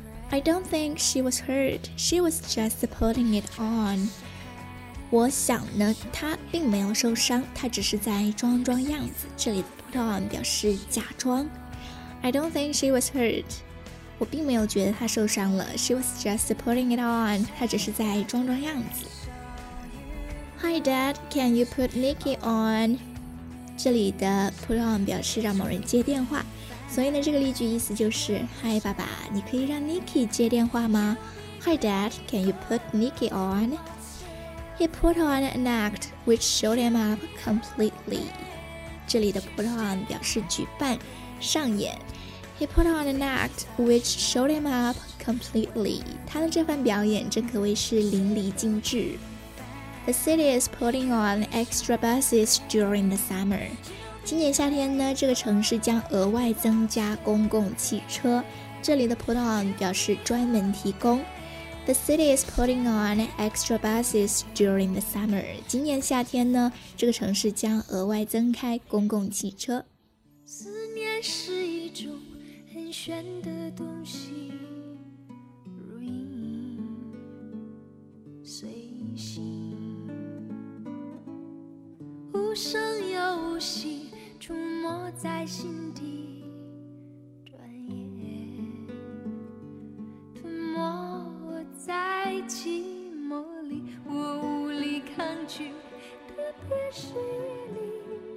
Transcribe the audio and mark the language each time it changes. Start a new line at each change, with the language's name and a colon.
English: I don't think she was hurt, she was just putting it on.
Chinese: 我想呢，她并没有受伤，她只是在装装样子。这里 put on 表示假装。
English: I don't think she was hurt.
Chinese: 我并没有觉得她受伤了。
English: She was just putting it on.
Chinese: 她只是在装装样子。
English: Hi, Dad. Can you put Nikki on?
Chinese: 这里的 put on 表示让某人接电话。所以呢，这个例句意思就是 ：
English: Hi,
Chinese: 爸爸，你可以让 Nikki 接电话吗 ？
English: Hi, Dad. Can you put Nikki on? He put on an act which showed him up completely.
Chinese: 这里的
English: put on
Chinese: 表示举办。上演
English: He put on an act which showed him up completely.
Chinese: 他的这番表演真可谓是淋漓尽致。
English: The city is putting on extra buses during the summer.
Chinese: 今年夏天呢，这个城市将额外增加公共汽车。这里的 put on 表示专门提供。
English: The city is putting on extra buses during the summer.
Chinese: 今年夏天呢，这个城市将额外增开公共汽车。思念是一种很玄的东西，如影随形，无声又无息，出没在心底，转眼吞没在寂寞里，我无力抗拒，特别是夜里。